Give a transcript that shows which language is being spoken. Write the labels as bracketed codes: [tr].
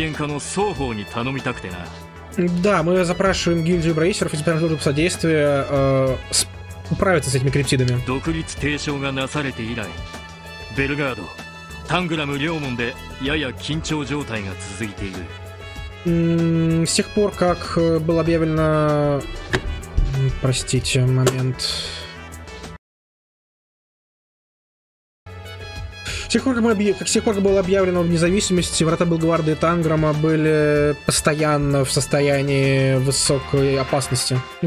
[ja] これらの厳重への対応をギルドと特務支援課の双方に頼みたくてな. [ru] Да, мы запрашиваем гильдию брейсеров и специальную службу содействия управиться с этими криптидами. [ja] 独立提唱がなされて以来、ベルガード、タングラム両門でやや緊張状態が続いている. [ru] С тех пор, как был объявлен, простите, момент. С тех пор, как было объявлено в независимости, врата Белгварда и Танграма были постоянно в состоянии высокой опасности.